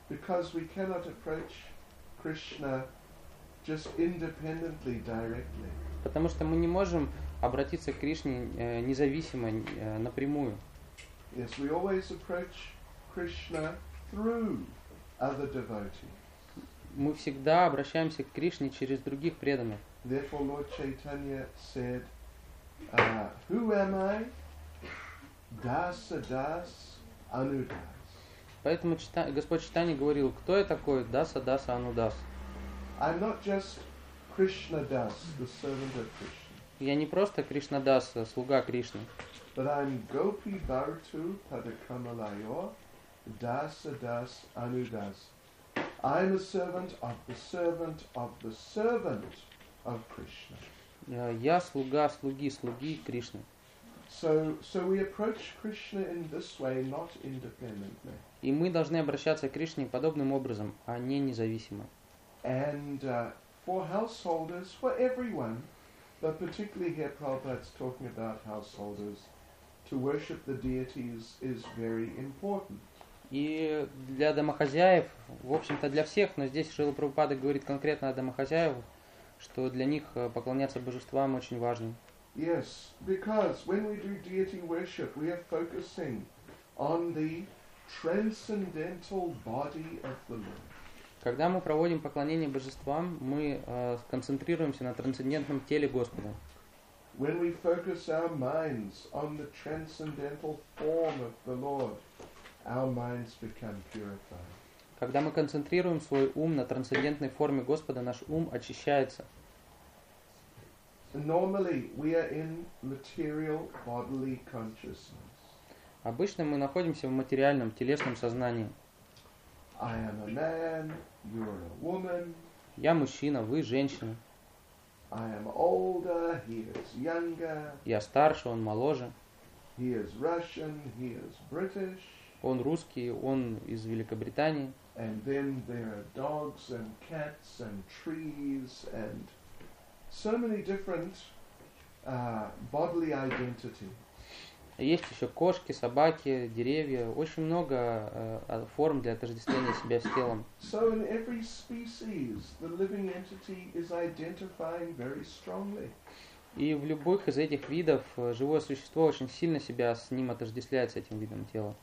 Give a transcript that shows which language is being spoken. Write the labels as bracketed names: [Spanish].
[English] Because we cannot approach Krishna just independently directly. [Russian] Потому что мы не можем обратиться к Кришне независимо, напрямую. [English] Yes, we always approach Krishna through other devotees. [Russian] Мы всегда обращаемся к Кришне через других преданных. [English] Therefore, Lord Chaitanya said, who am I? [Sanskrit] Dasa das anudas. [Russian] Поэтому Господь Чайтанья говорил, кто я такой? [Sanskrit] Даса даса анудас. [English] I'm not just Krishna das, the servant of Krishna. [Russian] Я не просто Кришна дас, слуга Кришны. [English] But I'm [Sanskrit] Gopi Bhartu Padakamalayo Dasa Das Anudas. [English] I'm a servant of the servant of the servant of Krishna. [Russian] Я слуга слуги, слуги Кришны. [English] So we approach Krishna in this way, not independently. [Russian] И мы должны обращаться к Кришне подобным образом, а не независимо. [English] And for householders, for everyone. But particularly here, Prabhupada's talking about householders. To worship the deities is very important. [Russian] И для домохозяев, в общем-то для всех, но здесь Шрила Прабхупада говорит конкретно о домохозяевах, что для них поклоняться божествам очень важно. [English] Yes, because when we do deity worship, we are focusing on the transcendental body of the Lord. [Russian] Когда мы проводим поклонение божествам, мы концентрируемся на трансцендентном теле Господа. [English] When we focus our minds on the transcendental form of the Lord, our minds become purified. [Russian] Когда мы концентрируем свой ум на трансцендентной форме Господа, наш ум очищается. [English] Normally we are in material bodily consciousness. [Russian] Обычно мы находимся в материальном, телесном сознании. [English] I am a man, you are a woman. [Russian] Я мужчина, вы женщина. [English] I am older, he is younger. [Russian] Я старше, он моложе. [English] He is Russian, he is British. [Russian] Он русский, он из Великобритании. [English] And then there are dogs and cats and trees and so many different bodily identities. [Russian] Есть еще кошки, собаки, деревья. Очень много форм для отождествления себя с телом. [English] So in every species, the living entity is identifying very strongly. [Russian] И в любых из этих видов живое существо очень сильно себя с ним отождествляет, с этим видом тела.